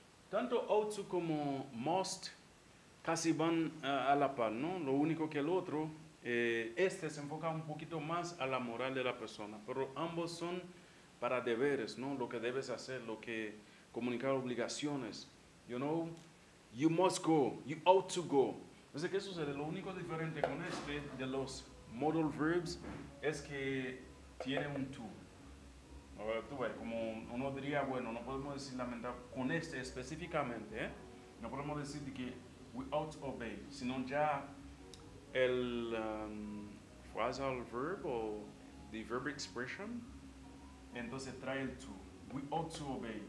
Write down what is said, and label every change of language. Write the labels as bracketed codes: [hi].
[es] Tanto ought to como must casi van a la par, ¿no? Lo único que el otro, este se enfoca un poquito más a la moral de la persona. Pero ambos son para deberes, ¿no? Lo que debes hacer, lo que comunicar obligaciones. [en] You know, you must go, you ought to go. [es] Entonces, ¿qué sucede? Lo único diferente con este de los modal verbs es que tiene un to. Tú ves, como uno diría, bueno, no podemos decir lamentable con este específicamente, ¿eh? No podemos decir de que we ought to obey, sino ya el phrasal verb o the verb expression, entonces trae el to. We ought to obey.